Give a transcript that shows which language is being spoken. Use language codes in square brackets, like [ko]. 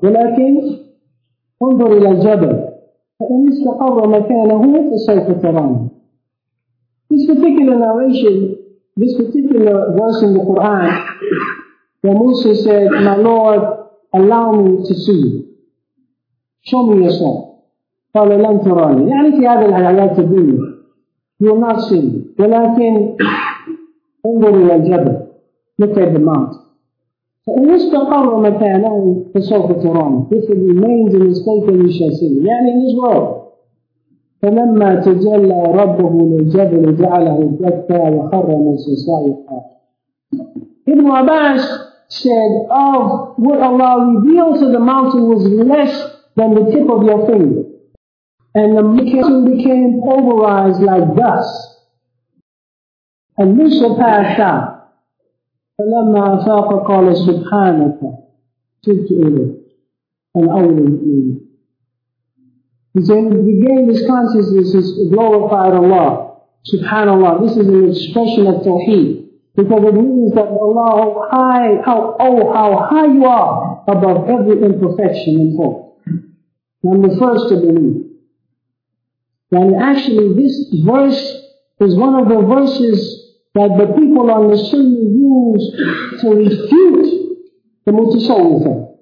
[ar] Walakin انظر إلى الجبل فإن استقر مكانه فسوف تراني. [en] This particular narration, this particular verse in the Quran, where Musa said, My Lord, allow me to see you. Show me yourself. [ar] قال لن تراني. يعني في هذه الآيات الدنيا. [en] You will not see me. [ar] ولكن انظر إلى الجبل. [en] Look at the mountain. [ar] فإن استقر مكانه فسوف تراني. [en] If it remains in his state, you shall see. يعني in his world. [ar] فلما تجلى ربه للجبل جعله دكا وخر موسى صعقا. [en] Ibn Abbas said, Of what Allah revealed to the mountain was less than the tip of your finger. And the mountain became pulverized like dust. And Musa passed out. [ar] فلما أفاق قال سبحانك تبت إليك أن أول إليك. [en] He said, he regained his consciousness, he says, glorified Allah, subhanAllah. This is an expression of tawheed. Because it means that Allah, how high you are above every imperfection and fault. I'm the first to believe. And actually this verse is one of the verses that the people on the Sunnah use to refute the Mutasawwifa.